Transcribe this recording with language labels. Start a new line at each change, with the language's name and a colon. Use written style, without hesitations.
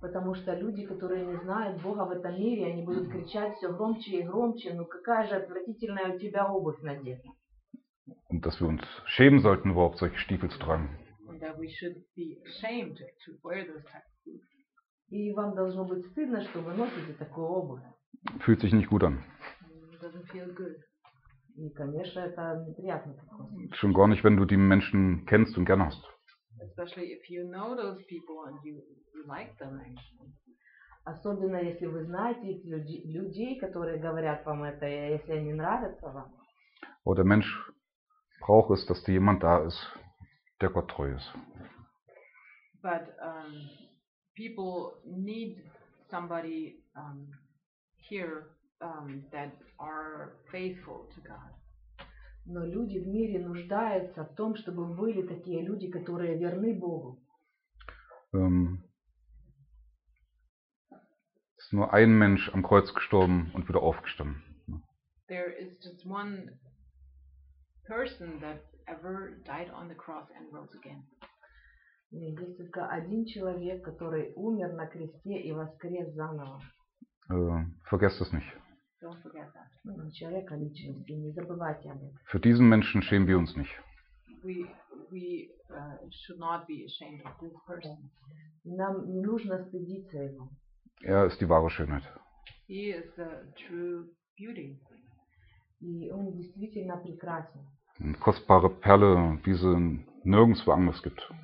Russian: Потому что люди, которые не знают Бога в этом мире, они будут кричать все громче и громче, ну какая же отвратительная у тебя обувь надета.
German: Und dass wir uns schämen sollten, überhaupt solche Stiefel zu tragen.
English: And that we should be ashamed to wear those types of boots.
Russian: И вам должно быть стыдно, что вы носите такую обувь.
German: Fühlt sich nicht gut an.
English: Doesn't feel good.
Russian: И, конечно, это неприятно.
German: Schon gar nicht, wenn du die Menschen kennst und gern hast.
English: Especially if you know those people and you like them.
Russian: Особенно если вы знаете людей, которые говорят вам это, если они нравятся вам.
German: Oh, der Mensch braucht es, dass jemand da ist, der Gott treu ist.
English: But people need somebody here that are faithful to God.
Russian: Но люди в мире нуждаются в том, чтобы были такие люди, которые верны Богу.
German: Ist nur ein Mensch am Kreuz gestorben und wieder aufgestanden.
English: There is just one person that ever died on the cross and rose again.
Russian: Есть только один человек, который умер на кресте и воскрес заново.
German: Vergesst es nicht.
English: Don't forget that.
Russian: Ну, человека личности, не забывайте об этом.
German: Für diesen Menschen schämen wir uns nicht.
English: We should not be ashamed of this person.
Russian: Нам не нужно стыдиться его.
German: Er ist die wahre Schönheit.
English: He is the true beauty.
Russian: И он действительно прекрасен.
German: Eine kostbare Perle, wie sie nirgendwo anders gibt.